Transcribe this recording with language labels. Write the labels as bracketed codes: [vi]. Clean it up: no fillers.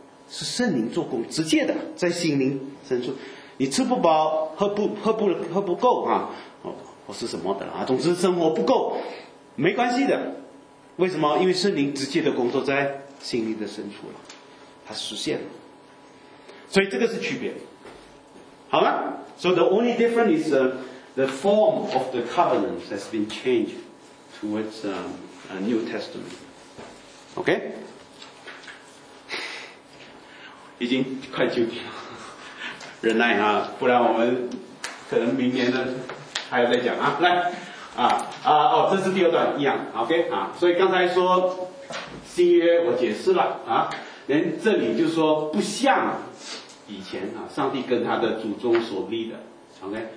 [zh] 是圣灵做工，直接的在心灵深处。你吃不饱，喝不够啊，或是什么的啊，总之生活不够，没关系的。为什么？因为圣灵直接的工作在心灵的深处了，它实现了。所以这个是区别，好吗 [en] ？So the only difference is the form of the covenant has been changed towards a New Testament. OK。 [zh] 已经快九点了，忍耐啊，不然我们可能明年呢还要再讲啊。来啊啊哦，这是第二段一样 ，OK 啊。所以刚才说新约我解释了啊，连这里就说不像以前啊，上帝跟他的祖宗所立的 ，OK。